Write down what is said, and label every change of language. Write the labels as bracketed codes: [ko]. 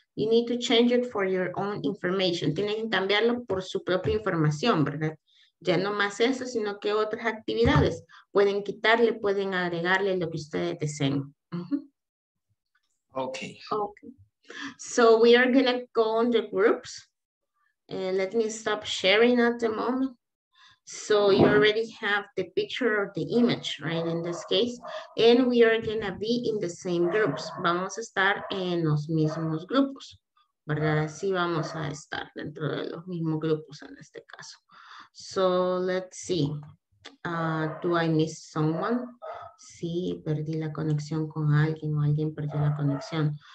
[en] You need to change it for your own information. [es] Tienen que cambiarlo por su propia información, ¿verdad? Ya no más eso, sino que otras actividades. Pueden quitarle, pueden agregarle lo que ustedes deseen. [en] Uh-huh. Okay. Okay. So we are going to go on the groups. Let me stop sharing at the moment. So you already have the picture or the image, right, in this case. And we are going to be in the same groups. [es] Vamos a estar en los mismos grupos, ¿verdad? Así vamos a estar dentro de los mismos grupos en este caso. [en] So let's see, do I miss someone? [es] Sí, perdí la conexión con alguien o alguien perdió la conexión.